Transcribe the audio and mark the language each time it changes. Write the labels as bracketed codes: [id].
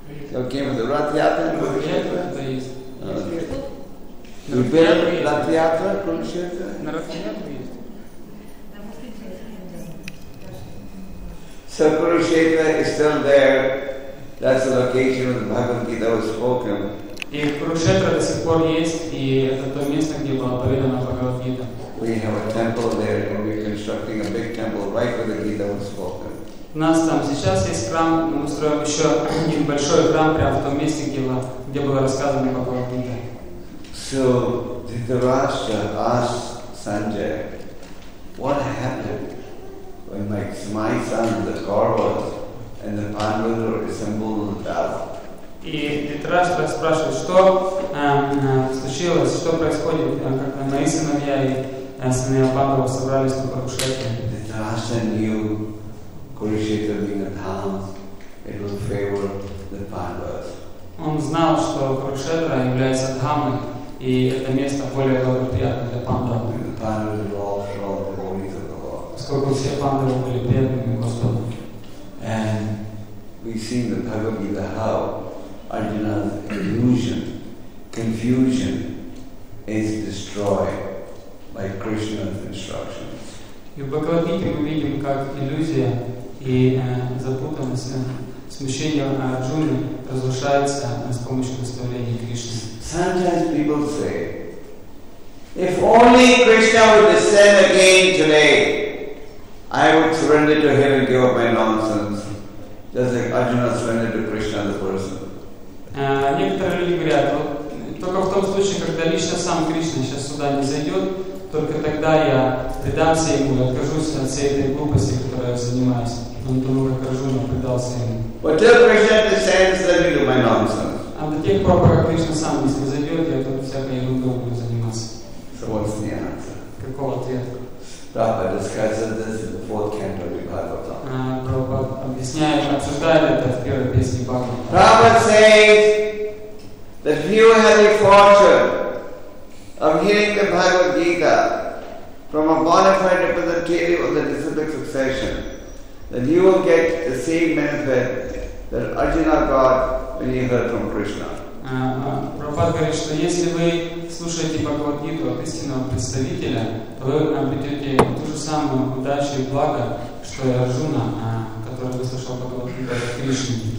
[en] You all came with the Rath Yatra in Kurukshetra? Okay. You've been to Rath Yatra, Kurukshetra? [ru] На Rath Yatra есть. [en] So Kurukshetra is still there. That's the location where the Bhagavad Gita was spoken. [ru] И Курукшетра до сих пор есть, и это то место, где была поведана Бхагавад Гита. [en] We have a temple there, and we're constructing a big temple right where the Gita was spoken. [ru] У нас там сейчас есть храм, мы устроим еще небольшой храм прямо в том месте, где была рассказана Бхагавад Гита. [en] So Dhritarashtra asked Sanjay, "What happened when my son, the Kauravas, and the Pandavas were assembled in the battle?" [ru] И Dhritarashtra спрашивает, что случилось, что происходит, как мои сыновья и сыны Пандавы собрались на Курукшетре. [en] Dhritarashtra knew Kurukshetra being a town, it will favor the Pandavas. [ru] Он знал, что Курукшетра является дхамой, и это место более благоприятно для Пандавы. [en] The Pandavas were all strong devotees of the Lord. [ru] Поскольку все Пандавы были преданными Господу. [en] And we see the Bhagavad Gita how Arjuna's illusion, confusion is destroyed by Krishna's instructions. [ru] И в Бхагавад Гите мы видим, как иллюзия и запутанность, смещение Арджуны разрушается с помощью наставления Кришны. [en] Sometimes people say, if only Krishna would descend again today, I would surrender to him and give up my nonsense. Just like Arjuna surrendered to Krishna the person. [ru] Некоторые люди говорят, только в том случае, когда лично сам Кришна сейчас сюда не зайдет, только тогда я предамся ему и откажусь от всей этой глупости, которой я занимаюсь. Он думал, как Арджуна предался ему. [en] But till Krishna descends, let me do my nonsense. [ru] А до тех пор, пока Кришна сам не зайдет, я тут всякой ерундой буду заниматься. [en] So what's the answer? [ru] Каков ответ? [en] Prabhupada discusses this in the fourth canto of Bhagavatam. [ru] Prabhupada объясняет, обсуждает это в первой песне Бхагавата. [en] Prabhupada says that you have a fortune I'm hearing the Bhagavad Gita from a bona fide representative of the disciplic succession, then you will get the same benefit that Arjuna got when he heard from Krishna. [ru] Prabhupada говорит, что если вы слушаете Бхагавад Гиту от истинного представителя, то вы обретете ту же самую удачу и благо, что и Арджуна, который выслушал Бхагавад Гиту от Кришны.